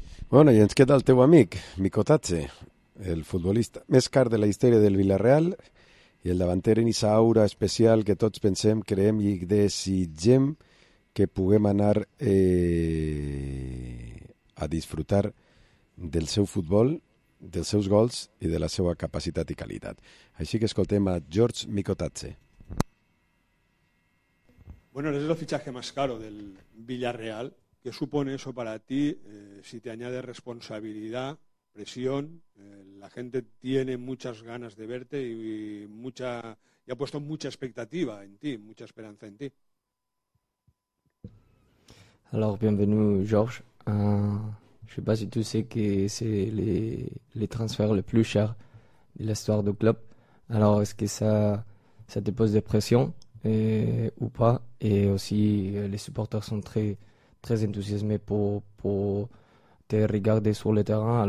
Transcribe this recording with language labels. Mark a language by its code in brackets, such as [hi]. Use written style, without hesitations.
[ca] Bueno, i ens queda el teu amic, Mico Tatze, el futbolista més car de la història del Villarreal i el davanter en esa aura especial que tots pensem, creem i desitgem que puguem anar a disfrutar del seu futbol, dels seus gols i de la seva capacitat i qualitat. Així que escoltem a George Mico Tatze. [es] Bueno, eres el fichaje más caro del Villarreal. ¿Qué supone eso para ti? Si te añade responsabilidad, presión, la gente tiene muchas ganas de verte y ha puesto mucha expectativa en ti, mucha esperanza en ti. [fr] Alors, bienvenue, George. Je sais pas si tu sais que c'est les transferts les plus chers de l'histoire du club. Alors, est-ce que ça te pose des pressions ou pas? Et aussi, les supporters sont très, très enthousiasmés pour te regarder sur le terrain.